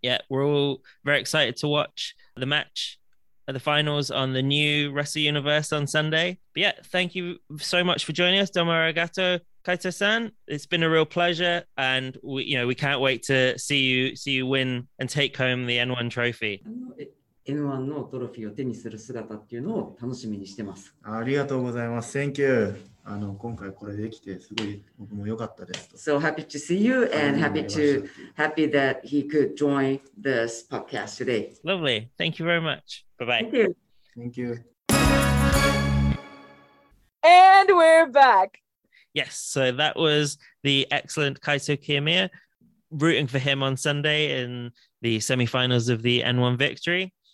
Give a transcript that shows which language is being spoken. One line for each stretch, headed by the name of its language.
English: Yeah, we're all very excited to watch the match at the finals on the new Wrestle Universe on Sunday. But yeah, thank you so much for joining us.
Japanese: Domo arigato,
English: Kaito-san. It's been a real pleasure. And we can't wait to see you win and take home the N1 trophy.
Japanese: N1 のトロフィーを手にする姿っていうのを楽しみにしてます。ありがとうございます。
English: Thank you.
Japanese: 今回これできてすごい僕も良かったですと。
English: So happy to see you and happy that he could join this podcast today. Lovely. Thank you very much. Bye bye. Thank you. And we're back. Yes. So that was the excellent Kaito Kiyomiya rooting for him on Sunday in the semifinals of the N1 victory.